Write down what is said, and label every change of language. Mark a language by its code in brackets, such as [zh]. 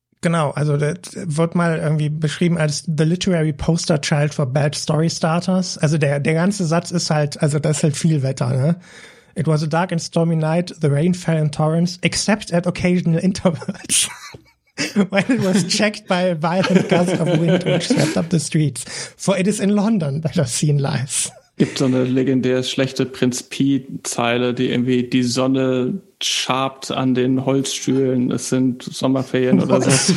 [de] Genau, also das wird mal irgendwie beschrieben als [en] the literary poster child for bad story starters. [de] Also der ganze Satz ist halt, also das ist halt viel Wetter, ne? [en] It was a dark and stormy night, the rain fell in torrents, except at occasional intervals. When it was checked by a violent gust of wind which swept up the streets. For it is in London that the scene lies. [de] Gibt so eine legendär schlechte Prinz-Pi-Zeile, die irgendwie die Sonne schabt an den Holzstühlen, es sind Sommerferien oder so.